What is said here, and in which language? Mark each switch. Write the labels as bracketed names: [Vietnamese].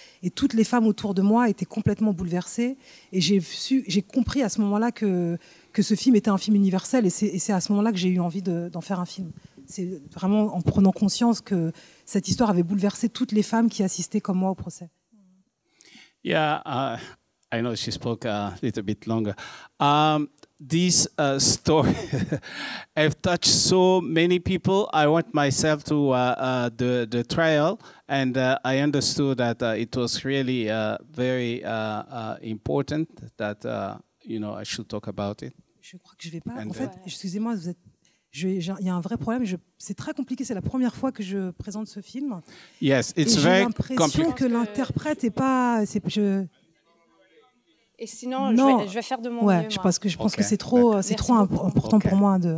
[French] Et toutes les femmes autour de moi étaient complètement bouleversées. Et j'ai compris à ce moment-là que ce film était un film universel. Et c'est à ce moment-là que j'ai eu envie d'en faire un film. C'est vraiment en prenant conscience que cette histoire avait bouleversé toutes les femmes qui assistaient comme moi au procès. [English] Yeah, I know she spoke a little bit longer. This story have touched so many people. I went myself to the trial, and I understood that it was really very important that I should talk about it. [French] Je crois que je vais pas. And en fait, excusez-moi, vous êtes. Il y a un vrai problème. C'est très compliqué. C'est la première fois que je présente ce film. [English] Yes, it's [French] et [English] very [French] j'ai l'impression que l'interprète n'est pas... Et sinon, je vais faire de mon mieux. Je pense que c'est trop, c'est trop important pour moi.